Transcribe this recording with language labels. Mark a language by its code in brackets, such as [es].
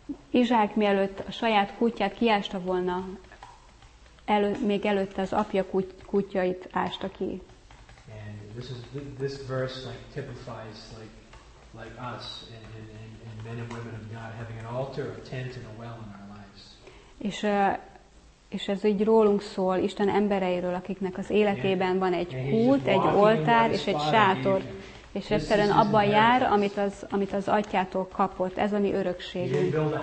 [hu] Izsák mielőtt a saját kutyát kiásta volna, még előtte az apja kutyait ásta ki. [en] And this verse like typifies like us and men and women of God having an altar, a tent and a well in our lives. [hu] És ez így rólunk szól, Isten embereiről, akiknek az életében van egy kút, egy oltár és egy sátor, és egyszerűen abban jár, amit az atyától kapott, ez a mi örökségünk.